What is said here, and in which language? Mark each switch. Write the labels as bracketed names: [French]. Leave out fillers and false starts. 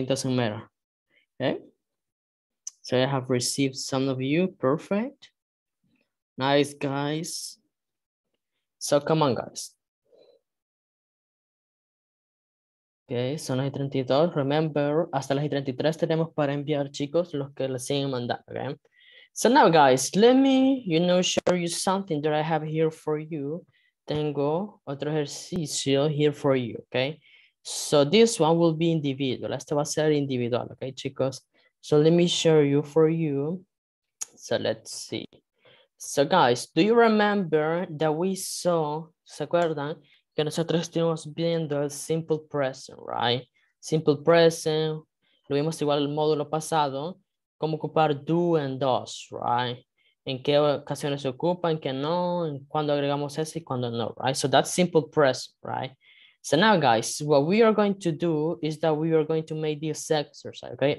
[English] It doesn't matter, okay? So, I have received some of you. Perfect. Nice, guys. So, come on, guys. [Spanish] Okay, son las 32. Remember, hasta las 33 tenemos para enviar, chicos, los que les siguen mandando, okay? [English] So now, guys, let me, you know, show you something that I have here for you. [Spanish] Tengo otro ejercicio [English] here for you, [Spanish] okay? [English] So this one will be individual. [Spanish] Este va a ser individual, okay, chicos? [English] So let me show you for you. So let's see. So guys, do you remember that we saw, [Spanish] ¿se acuerdan? Que nosotros estuvimos viendo el simple present, right? Simple present, lo vimos igual el módulo pasado, cómo ocupar do and does, right? En qué ocasiones se ocupa, en qué no, en cuándo agregamos ese y cuándo no, right? [English] So that's simple present, right? So now guys, what we are going to do is that we are going to make this exercise, okay?